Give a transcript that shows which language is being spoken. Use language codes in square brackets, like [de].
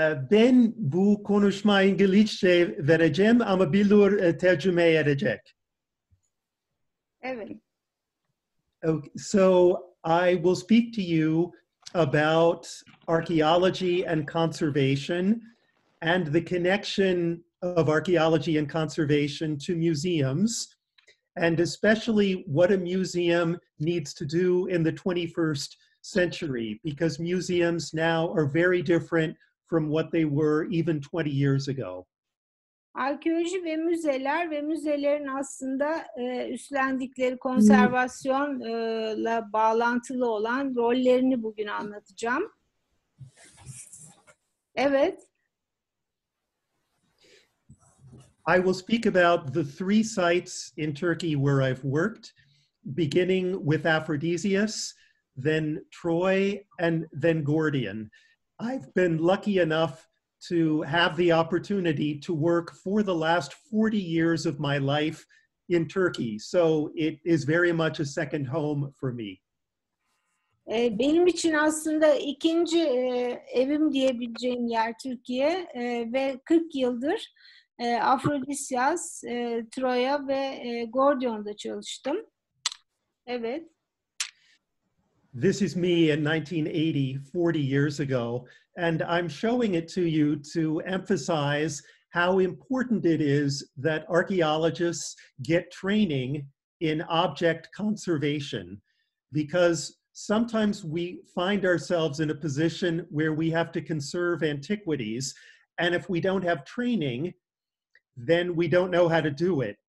[tr] Ben bu konuşma İngilizce vereceğim ama Bilur tercüme edecek. Evet. [en] Okay, so I will speak to you about archaeology and conservation and the connection of archaeology and conservation to museums, and especially what a museum needs to do in the 21st century, because museums now are very different from what they were even 20 years ago. [tr] Arkeoloji ve müzeler ve müzelerin aslında üstlendikleri konservasyonla bağlantılı olan rollerini bugün anlatacağım. Evet. [en] I will speak about the three sites in Turkey where I've worked, beginning with Aphrodisias, then Troy, and then Gordian. I've been lucky enough to have the opportunity to work for the last 40 years of my life in Turkey. So it is very much a second home for me. [tr] Benim için aslında ikinci evim diyebileceğim yer Türkiye ve 40 yıldır Aphrodisias, Troya ve Gordion'da çalıştım. Evet. [en] This is me in 1980, 40 years ago, and I'm showing it to you to emphasize how important it is that archaeologists get training in object conservation, because sometimes we find ourselves in a position where we have to conserve antiquities, and if we don't have training, then we don't know how to do it.